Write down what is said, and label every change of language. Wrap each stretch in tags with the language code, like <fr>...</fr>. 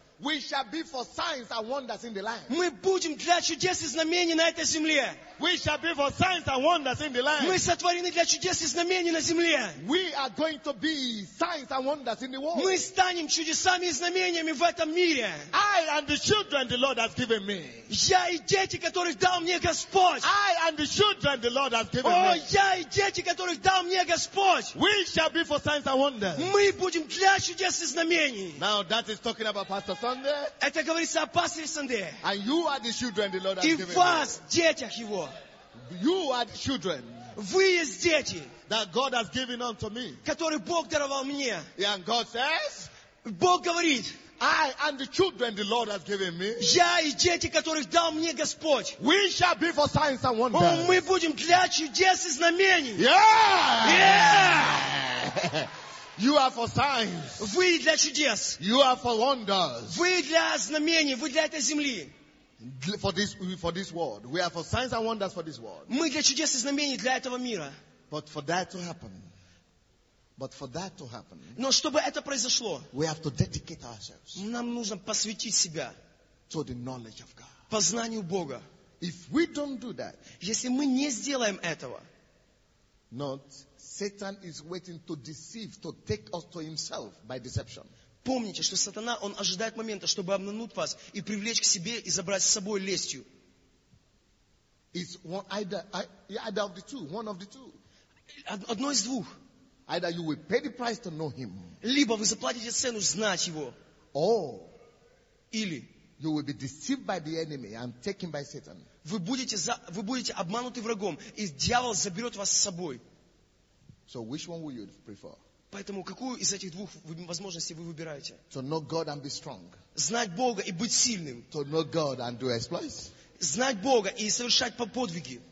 <en>we shall be for signs and wonders in the land.</en> <ru>Мы будем для чудес и знамений на этой земле.</ru> <en>We shall be for signs and wonders in the land.</en> <ru>Мы сотворены для чудес и знамений на земле.</ru> <en>We are going to be signs and wonders in the world.</en> <ru>Мы станем чудесами и знамениями в этом мире.</ru> <en>I and the children the Lord has given me.</en> <ru>Я и дети, которых дал мне Господь.</ru> <en>I and the children the Lord has given me.</en> <ru>О, я и дети, которых дал мне Господь.</ru> <en>We shall be for signs and wonders.</en> <ru>Мы будем для чудес и знамений.</ru> <en>Now that is talking about Pastor Sunday.</en> <ru>Это говорится о пасторе Сандее.</ru> <en>And you are the children the Lord has given me.</en> <ru>И вас, детях его.</ru> <en>You are the children.</en> <ru>Вы есть дети.</ru> <en>That God has given unto me.</en> <ru>Которые Бог даровал мне.</ru> <en>And God says.</en> <ru>Бог говорит.</ru> <en>I and the children the Lord has given me.</en> <ru>Я и дети, которых дал мне Господь.</ru> <en>We shall be for signs and wonders.</en> <ru>Мы будем для чудес и знамений. Yeah. Yeah.</ru> <en>You are for signs.</en> <ru>Вы для чудес.</ru> <en>You are for wonders.</en> <ru>Вы для знамений. Вы для этой земли.</ru> <en>For this world, we are for signs and wonders for this world.</en> <ru>Мы для чудес и знамений для этого мира.</ru> <en>But for that to happen, But for that to happen,</en> <ru>но чтобы это произошло,</ru> <en>we have to dedicate ourselves,</en> <ru>нам нужно посвятить себя</ru> <en>to the knowledge of God.</en> <ru>Познанию Бога.</ru> <en>If we don't do that,</en> <ru>если мы не сделаем этого,</ru> <en>not Satan is waiting to deceive, to take us to himself by deception.</en> <ru>Помните, что сатана, он ожидает момента, чтобы обмануть вас и привлечь к себе и забрать с собой лестью.</ru> <en>It's one, either of the two, one of the two.</en> <ru>Одно из двух.</ru> <en>Either you will pay the price to know him.</en> <ru>Либо вы заплатите цену знать его.</ru> <en>Or,</en> <ru>или</ru> <en>you will be deceived by the enemy and taken by Satan.</en> <ru>Вы будете обмануты врагом, и дьявол заберет вас с собой.</ru> <en>So which one will you prefer?</en> <ru>Поэтому какую из этих двух возможностей вы выбираете?</ru> <en>To know God and be strong.</en> <ru>Знать Бога и быть сильным.</ru> <en>To know God and do exploits.</en> <ru>Знать Бога и совершать подвиги.</ru>